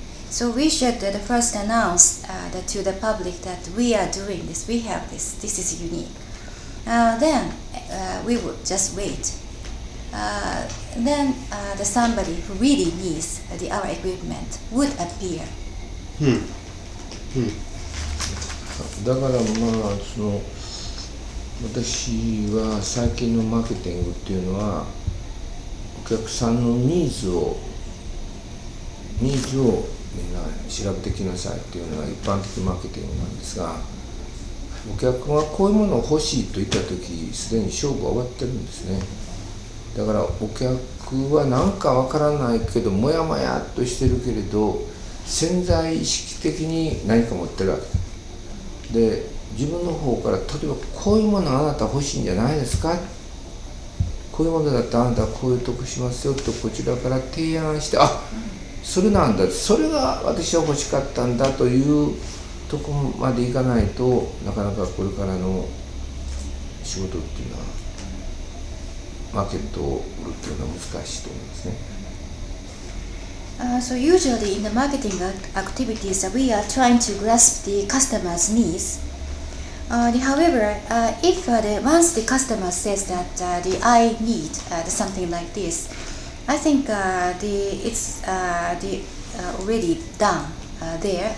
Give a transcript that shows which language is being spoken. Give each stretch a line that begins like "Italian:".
English: So we should first announce to the public that we are doing this, we have this, this is unique. Then we would just wait. Then somebody who really needs our equipment would appear.
Japanese: だからまあその私は最近のマーケティングっていうのは、お客さんのニーズをみんな調べてきなさいっていうのが一般的マーケティングなんですが、お客がこういうものを欲しいと言った時、すでに勝負は終わってるんですね。だからお客は何かわからないけどもやもやっとしてるけれど、潜在意識的に何か持ってるわけで、自分の方から例えばこういうものあなた欲しいんじゃないですか、こういうものだったらあなたはこういう得しますよとこちらから提案して、あ、それなんだ、それが私は欲しかったんだというところまでいかないと、なかなかこれからの仕事っていうのはマーケットを売るっていうのは難しいと思いますね。
English: So usually in the marketing activities we are trying to grasp the customer's needs. However, if once the customer says that the I need something like this, I think it's already done there.